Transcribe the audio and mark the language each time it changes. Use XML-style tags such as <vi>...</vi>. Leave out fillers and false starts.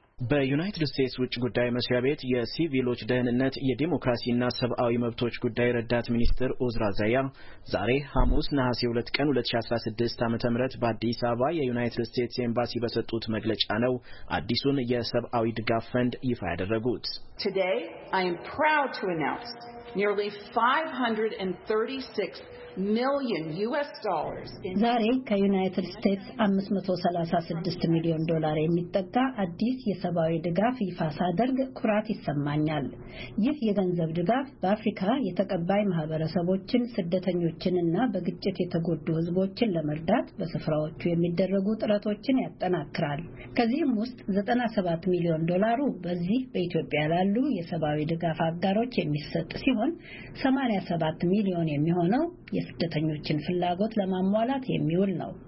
<am>በዩናይትድ ስቴትስ ውጭ ጉዳይ መስሪያ ቤት የሲቪሎች ደህንነት የዲሞክራሲና ሰብአዊ መብቶች ጉዳይ ረዳት ሚኒስትር ኡዝራ ዘያ ዛሬ ሐሙስ ነሐሴ 2 ቀን 2016 ዓ.ም በአዲስ አበባ የዩናይትድ ስቴትስ ኤምባሲ በሰጡት መግለጫ ነው አዲሱን የሰብአዊ ድጋፍ ፈንድ ይፋ ያደረጉት።</am> <en>Today I am proud to announce nearly 536 million US dollars.</en> <am>ዛሬ ከዩናይትድ ስቴትስ 536 ሚሊዮን ዶላር የሚጠጋ አዲስ የሰብአዊ ድጋፍ ይፋ ሳደርግ ኩራት ይሰማኛል። ይህ የገንዘብ ድጋፍ በአፍሪካ የተቀባይ ማህበረሰቦችን፣ ስደተኞችንና በግጭት የተጎዱ ህዝቦችን ለመርዳት በስፍራዎቹ የሚደረጉ ጥረቶችን ያጠናክራል። ከዚህም ውስጥ 97 ሚሊዮን ዶላሩ በዚህ በኢትዮጵያ ላሉ የሰብአዊ ድጋፍ አጋሮች የሚሰጥ ሲሆን 87 ሚሊዮን የሚሆነው የስደተኞችን ፍላጎት ለማሟላት የሚውል ነው።</am>